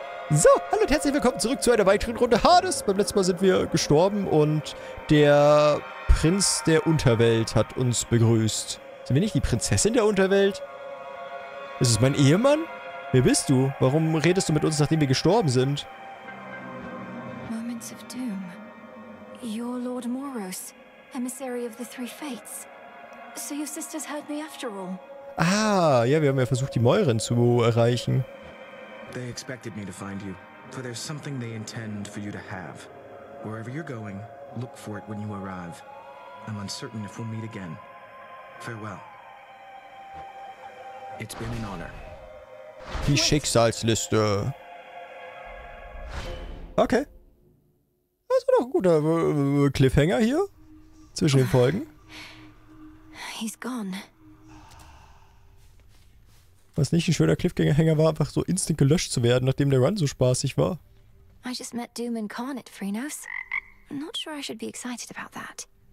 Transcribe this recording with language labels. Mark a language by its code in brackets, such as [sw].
[de] So, hallo und herzlich willkommen zurück zu einer weiteren Runde Hades. Beim letzten Mal sind wir gestorben und der Prinz der Unterwelt hat uns begrüßt. Sind wir nicht die Prinzessin der Unterwelt? Ist es mein Ehemann? Wer bist du? Warum redest du mit uns, nachdem wir gestorben sind? [en] Moments of Doom. You're Lord Moros, emissary of the three fates. So your sisters heard me after all. [de] Ah, ja, wir haben ja versucht, die Mäuerin zu erreichen. [en] They expected me to find you, for there's something they intend for you to have. Wherever you're going, look for it when you arrive. I'm uncertain if we'll meet again. Farewell. It's been an honor. [de] Die Schicksalsliste. Okay. Das war doch ein guter Cliffhanger hier. Zwischen den Folgen. [en] He's gone. [de] Was nicht ein schöner Cliffhanger war, einfach so instant gelöscht zu werden, nachdem der Run so spaßig war. [en] I just met Doom incarnate, Phrynos. I'm not sure I should be excited about that.